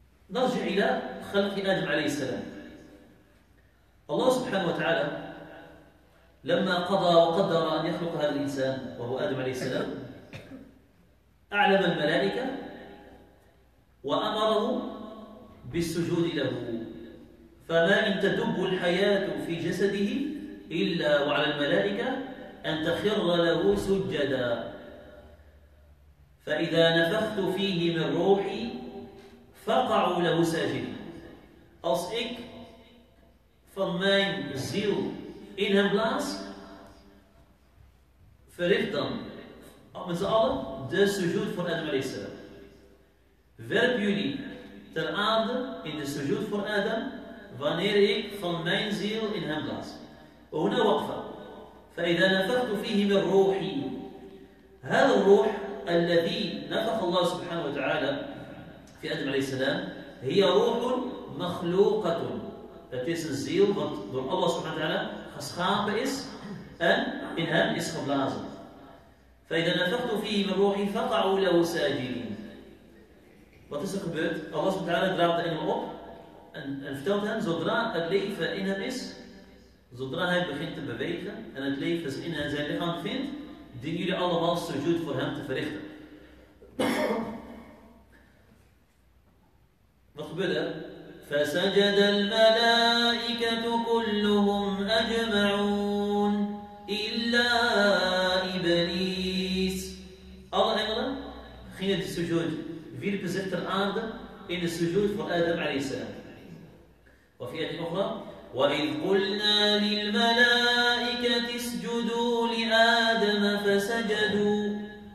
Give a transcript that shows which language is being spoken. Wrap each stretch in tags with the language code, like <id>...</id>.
<ar>نرجع إلى خلق آدم عليه السلام. Allah subhanahu wa ta'ala لما قضى وقدر أن يخلق هذا الإنسان وهو آدم عليه السلام أعلم الملائكة وأمره بالسجود له. فما إن تدب الحياة في جسده إلا وعلى الملائكة أن تخر له سجدا. فإذا نفخت فيه من روحي فقعوا له ساجدين.</ar> <nl>Als ik van mijn ziel in hem blaas, verricht dan met z'n allen de sujud voor Adam alayhi salam. Werp jullie ter aarde in de sujud voor Adam wanneer ik van mijn ziel in hem blaas.</nl> <ar>هنا وقفة. فإذا نفخت فيه من روحي. هذا الروح الذي نفخ الله سبحانه وتعالى في آدم عليه السلام هي روح مخلوقة.</ar> <nl>That is a zeal wat door Allah سبحانه وتعالى geschapen is en in hem is geblazen.</nl> <ar>فإذا نفخت فيه من روحي فقعوا له ساجدين.</ar> <nl>Wat is er gebeurd? Allah سبحانه وتعالى draagt de engel op en vertelt hem zodra het leven in hem is, zodra hij begint te bewegen en het leven in zijn lichaam vindt, dienen jullie allemaal sujud voor hem te verrichten. Wat gebeurt er?</nl> <ar>فسجد الملائكة كلهم أجمعون إلا إبليس.</ar> <nl>Alle engelen gingen de sujud, wierpen zich ter aarde in de sujud voor Adam alayhi salam.</nl> <ar>وفي آية أخرى وَإِذْ قُلْنَا لِلْمَلَائِكَةِ اسْجُدُوا لِآدَمَ فَسَجَدُوا.</ar>